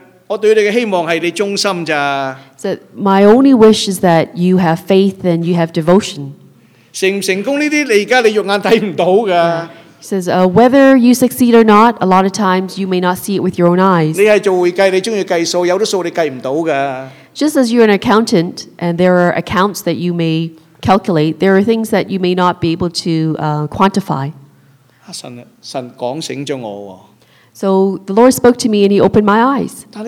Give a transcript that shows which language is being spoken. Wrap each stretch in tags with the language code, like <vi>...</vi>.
<yue>我对你嘅希望系你忠心咋。</yue> <en>So my only wish is that you have faith and you have devotion.</en> <yue>成唔成功呢啲，你而家你肉眼睇唔到噶。</yue> <en>He says, whether you succeed or not, a lot of times you may not see it with your own eyes.</en> <yue>你系做会计，你中意计数，有啲数你计唔到噶。</yue> <en>Just as you're an accountant and there are accounts that you may calculate, there are things that you may not be able to quantify.</en> <yue>神讲醒咗我。 So</yue> <en>the Lord spoke to me and he opened my eyes.</en>